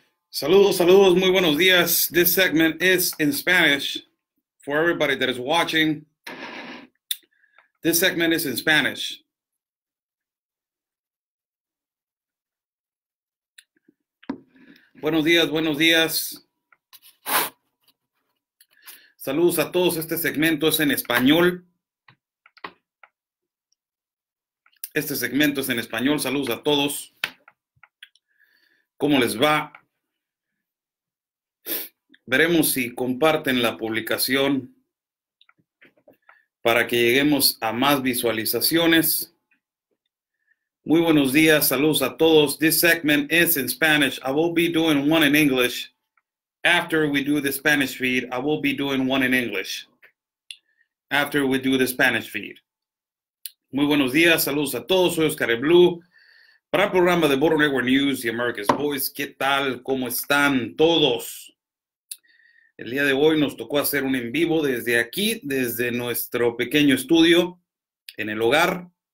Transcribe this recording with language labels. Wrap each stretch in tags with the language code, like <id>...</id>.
<es>Saludos, saludos, muy buenos días.</es> <en>This segment is in Spanish for everybody that is watching. This segment is in Spanish.</en> <es>Buenos días, buenos días. Saludos a todos, este segmento es en español. Este segmento es en español, saludos a todos. ¿Cómo les va? Veremos si comparten la publicación para que lleguemos a más visualizaciones. Muy buenos días, saludos a todos.</es> <en>This segment is in Spanish. I will be doing one in English. After we do the Spanish feed, I will be doing one in English. After we do the Spanish feed.</en> <es>Muy buenos días, saludos a todos. Soy Oscar Blue. Para el programa de Border Network News y America's Voice, ¿qué tal? ¿Cómo están todos? El día de hoy nos tocó hacer un en vivo desde aquí, desde nuestro pequeño estudio en el hogar.</es>